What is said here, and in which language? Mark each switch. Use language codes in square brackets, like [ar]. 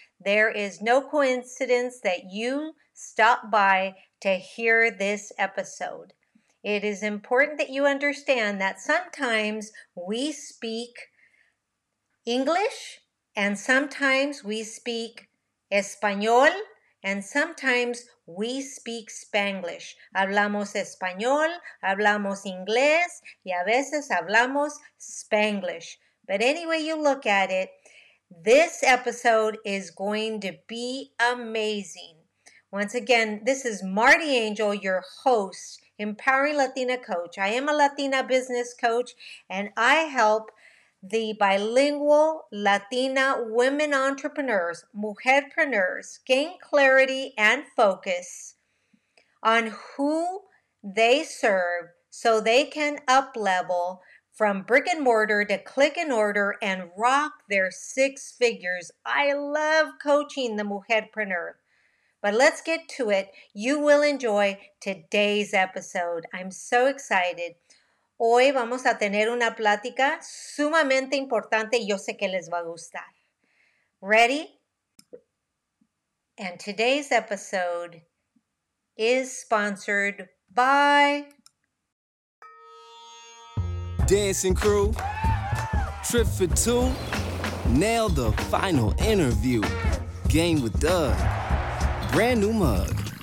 [en] There is no coincidence that you stop by to hear this episode. It is important that you understand that sometimes we speak English, and sometimes we speak Español, and sometimes we speak Spanglish. [es] Hablamos Español, hablamos Inglés, y a veces hablamos Spanglish. [en] But anyway you look at it, this episode is going to be amazing. Once again, this is Marty Angel, your host, Empowering Latina Coach. I am a Latina business coach, and I help the bilingual Latina women entrepreneurs, mujerpreneurs, gain clarity and focus on who they serve so they can up-level from brick and mortar to click and order and rock their six figures. I love coaching the mujerpreneur. But let's get to it. You will enjoy today's episode. I'm so excited. [es] Hoy vamos a tener una plática sumamente importante y yo sé que les va a gustar. [en] Ready? And today's episode is sponsored by Dancing Crew, Trip for Two, Nail the Final Interview, Game with Doug, Brand New Mug.